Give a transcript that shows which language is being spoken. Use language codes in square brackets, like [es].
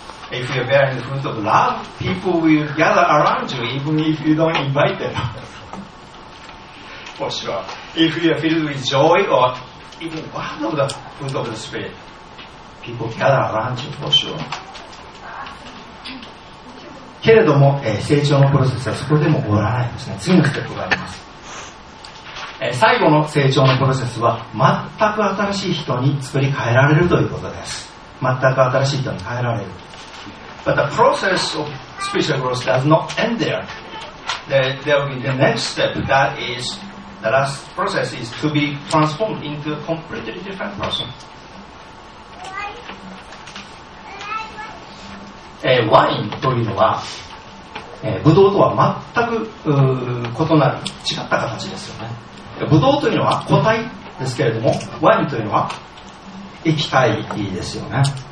[en] If you're bearing the fruit of love, people will gather around you even if you don't invite them. For sure. If you're filled with joy or even one of the fruits of the Spirit, people gather around you for sure. [ja] けれども、成長のプロセスはそこでも終わらないですね。次のステップがあります。最後の成長のプロセスは全く新しい人に作り変えられるということです。全く新しい人に変えられる。 [en] But the process of spiritual growth does not end there. There will be the next step. That is the last process is to be transformed into a completely different person. [ja] ワインというのは、ブドウとは全く異なる違った形ですよね。ブドウというのは固体ですけれども、ワインというのは液体ですよね。